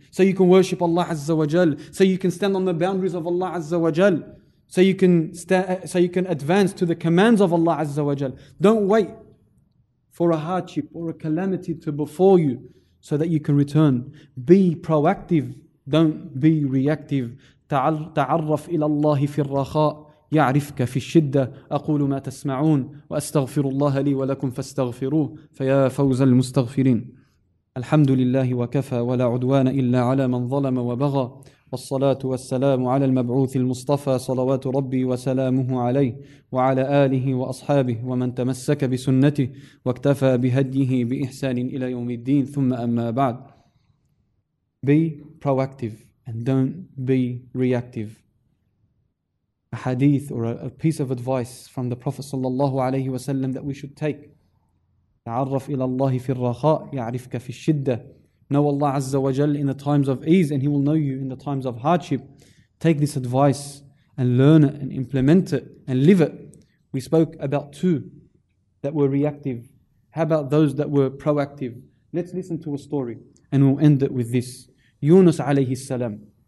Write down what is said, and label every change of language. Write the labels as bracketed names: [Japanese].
[English] So you can worship Allah Azza wa Jal. So you can stand on the boundaries of Allah Azza wa Jal. So you can advance to the commands of Allah Azza wa Jal. Don't wait for a hardship or a calamity to befall you so that you can return. Be proactive. Don't be reactive. [Arabic] تعرف إلى الله في الرخاء يعرفك في الشدة أقول ما تسمعون وأستغفر الله لي ولكم فاستغفروه فيا فوز المستغفرين الحمد لله وكفى ولا عدوان إلا على من ظلم وبغى والصلاة والسلام على المبعوث المصطفى صلوات ربي وسلامه عليه وعلى آله وأصحابه ومن تمسك بسنته واكتفى بهديه بإحسان إلى يوم الدين ثم أما بعد. [English] Be proactive and don't be reactive. A hadith or a piece of advice from the Prophet sallallahu alayhi wa sallam that we should take. [Arabic] تعرف إلى الله في الرخاء يعرفك في الشدة. [English] Know Allah Azza wa Jal in the times of ease and He will know you in the times of hardship. Take this advice and learn it and implement it and live it. We spoke about two that were reactive. How about those that were proactive? Let's listen to a story and we'll end it with this. Yunus alayhi salam.